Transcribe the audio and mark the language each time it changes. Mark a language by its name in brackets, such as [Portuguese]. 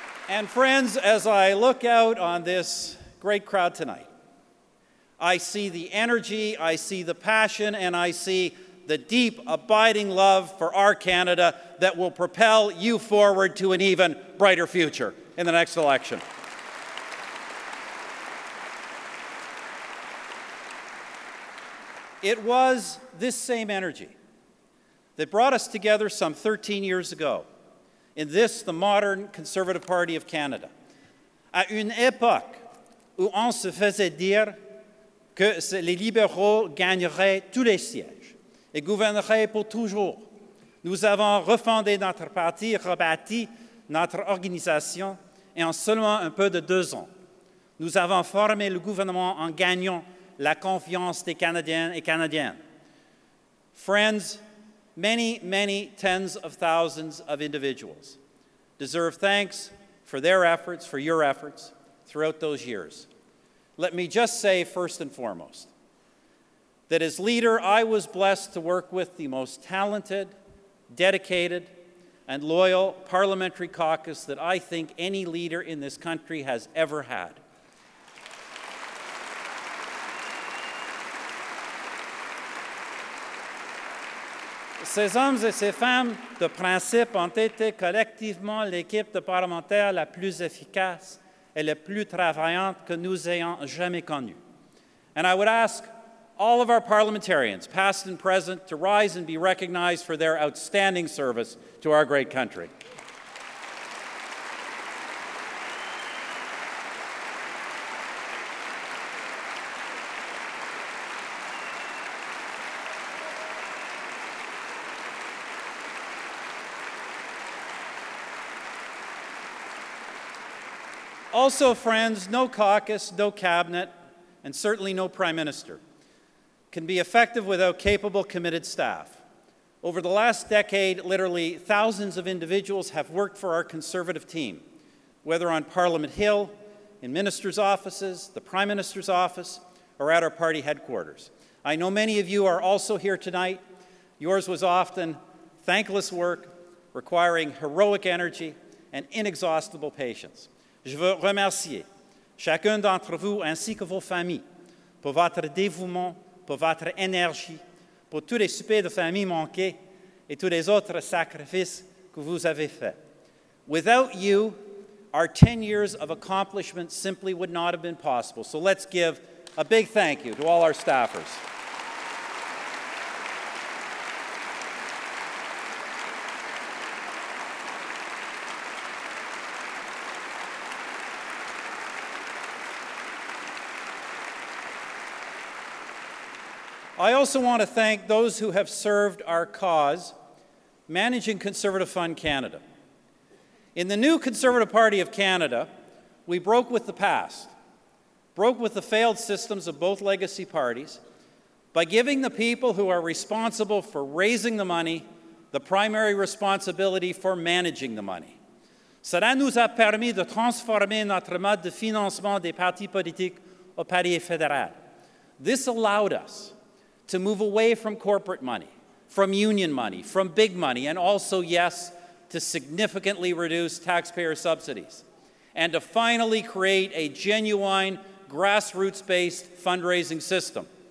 [English] And friends, as I look out on this great crowd tonight, I see the energy, I see the passion, and I see the deep, abiding love for our Canada that will propel you forward to an even brighter future in the next election. It was this same energy that brought us together some 13 years ago in this, the modern Conservative Party of Canada. [French] À une époque où on se faisait dire que les libéraux gagneraient tous les sièges et gouverneraient pour toujours, nous avons refondé notre parti, rebâti notre organisation, et en seulement un peu de 2 ans, nous avons formé le gouvernement en gagnant la confiance des Canadiens et Canadiennes. [English] Friends, many, many tens of thousands of individuals deserve thanks for their efforts, for your efforts, throughout those years. Let me just say, first and foremost, that as leader, I was blessed to work with the most talented, dedicated, and loyal parliamentary caucus that I think any leader in this country has ever had. [French] Ces hommes et ces femmes de principe ont été collectivement l'équipe de parlementaires la plus efficace et la plus travaillante que nous ayons jamais connue. [English] And I would ask all of our parliamentarians, past and present, to rise and be recognized for their outstanding service to our great country. Also, friends, no caucus, no cabinet, and certainly no prime minister can be effective without capable, committed staff. Over the last decade, literally thousands of individuals have worked for our Conservative team, whether on Parliament Hill, in ministers' offices, the Prime Minister's office, or at our party headquarters. I know many of you are also here tonight. Yours was often thankless work, requiring heroic energy and inexhaustible patience. [French] Je veux remercier chacun d'entre vous ainsi que vos familles pour votre dévouement, pour votre énergie, pour tous les soupers de famille manqués et tous les autres sacrifices que vous avez faits. [English] Without you, our 10 years of accomplishment simply would not have been possible. So let's give a big thank you to all our staffers. I also want to thank those who have served our cause, managing Conservative Fund Canada. In the new Conservative Party of Canada, we broke with the past, broke with the failed systems of both legacy parties, by giving the people who are responsible for raising the money the primary responsibility for managing the money. [French] Cela nous a permis de transformer notre mode de financement des partis politiques au Parti fédéral. [English] This allowed us to move away from corporate money, from union money, from big money, and also, yes, to significantly reduce taxpayer subsidies, and to finally create a genuine grassroots-based fundraising system.